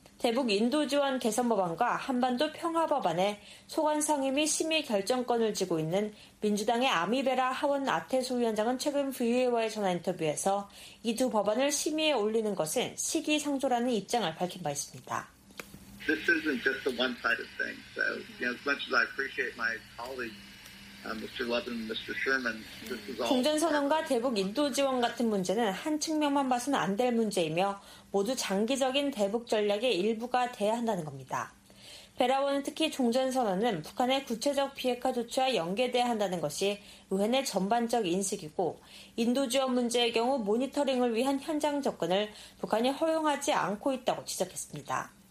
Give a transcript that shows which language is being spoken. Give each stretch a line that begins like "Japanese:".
Korean: 대북 인도 지원 개선 법안과 한반도 평화 법안에 소관 상임위 심의 결정권을 쥐고 있는 민주당의 아미베라 하원 아태수 위원장은 최근 VOA와의 전화 인터뷰에서 이 두 법안을 심의에 올리는 것은 시기상조라는 입장을 밝힌 바 있습니다.
English: This isn't just a one-sided thing. So, you know, as much as I appreciate my colleagues, Mr. Levin, Mr. Sherman, this is all.
Korean: 종전선언과 대북 인도 지원 같은 문제는 한 측면만 봐서는 안 될 문제이며 모두 장기적인 대북 전략의 일부가 돼야 한다는 겁니다. 베라원은 특히 종전선언은 북한의 구체적 비핵화 조치와 연계돼야 한다는 것이 의회 내 전반적 인식이고 인도 지원 문제의 경우 모니터링을 위한 현장 접근을 북한이 허용하지 않고 있다고 지적했습니다.